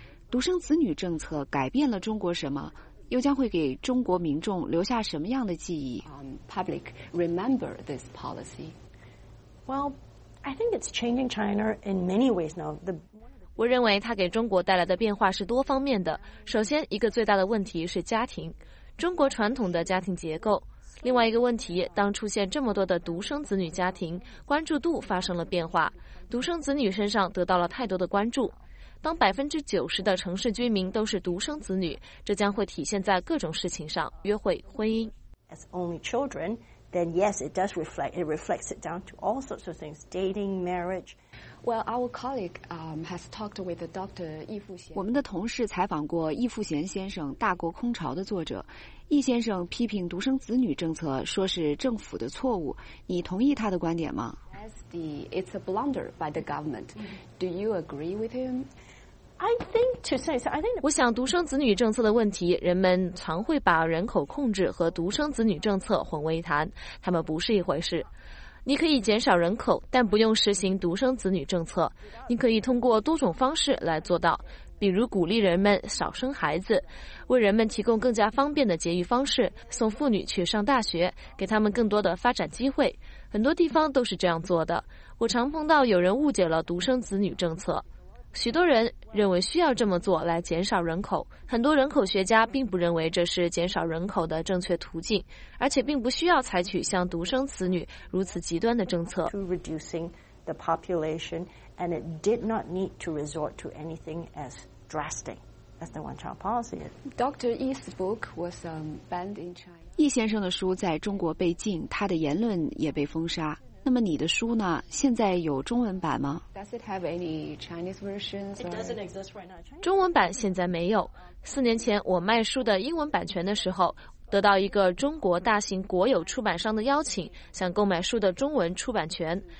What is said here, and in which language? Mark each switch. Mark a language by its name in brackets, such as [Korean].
[Chinese] 独生子女政策改变了中国什么？又将会给中国民众留下什么样的记忆 [English] ？Public remember this policy. Well, I think it's changing China in many ways now. [Chinese] 我认为它给中国带来的变化是多方面的。首先，一个最大的问题是家庭，中国传统的家庭结构。另外一个问题，当出现这么多的独生子女家庭，关注度发生了变化，独生子女身上得到了太多的关注。当90%的城市居民都是独生子女，这将会体现在各种事情上，约会、婚姻。 [English] As only children, then yes, it does reflect. It reflects it down to all sorts of things, dating, marriage. Well, our colleague has talked with the doctor 易富贤。 [Chinese] 我们的同事采访过易富贤先生，《大国空巢》的作者。易先生批评独生子女政策，说是政府的错误。你同意他的观点吗？ [English] It's a blunder by the government. Do you agree with him? I think. [Chinese] 我想独生子女政策的问题，人们常会把人口控制和独生子女政策混为一谈，他们不是一回事。你可以减少人口，但不用实行独生子女政策。你可以通过多种方式来做到，比如鼓励人们少生孩子，为人们提供更加方便的节育方式，送妇女去上大学，给他们更多的发展机会。很多地方都是这样做的。我常碰到有人误解了独生子女政策，许多人认为需要这么做来减少人口，很多人口学家并不认为这是减少人口的正确途径，而且并不需要采取像独生子女如此极端的政策。 [English] the population, and it did not need to resort to anything as drastic as the one-child policy. Dr. Yi's book was banned in China. [Chinese] 易先生的书在中国被禁，他的言论也被封杀。那么你的书呢？现在有中文版吗？ [English] Does it have any Chinese versions? It doesn't exist right now. [Chinese] 中文版现在没有。四年前我卖书的英文版权的时候，得到一个中国大型国有出版商的邀请，想购买书的中文出版权。